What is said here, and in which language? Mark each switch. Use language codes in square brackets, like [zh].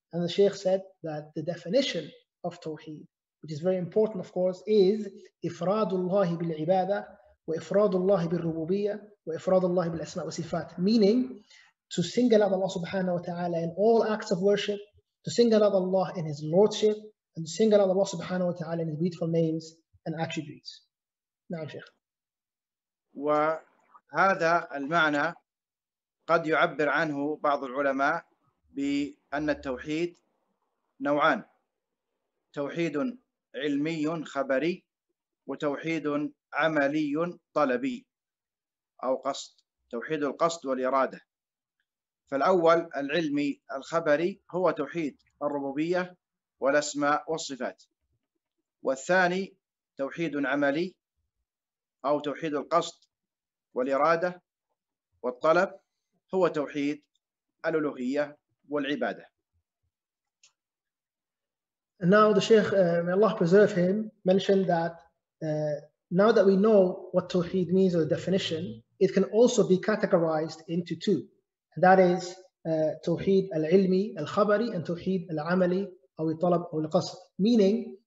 [en] And the Shaykh said that the definition of Tawheed, which is very important, of course, is [ar] إفرادullah بالعبادة وإفرادullah بالربوبية وإفرادullah بالأسماء وصفات, [en] meaning to single out Allah subhanahu wa ta'ala in all acts of worship, to single out Allah in his lordship, and to single out Allah subhanahu wa ta'ala in his beautiful names and attributes. [ar] نعم شيخ. وهذا المعنى قد يعبر عنه بعض العلماء بأن التوحيد نوعان: توحيد علمي خبري، وتوحيد عملي طلبي أو قصد، توحيد القصد والإرادة. فالأول العلمي الخبري هو توحيد الربوبية والأسماء والصفات، والثاني توحيد عملي أو توحيد القصد والإرادة والطلب هو توحيد الألوهية والعبادة. [en] Now the Shaykh, may Allah preserve him, mentioned that now that we know what Tawheed means or the definition, it can also be categorized into two. That is Tawheed al-ilmi, al-khabari, and Tawheed al-amali, or al-talab, or al-qasr. Meaning,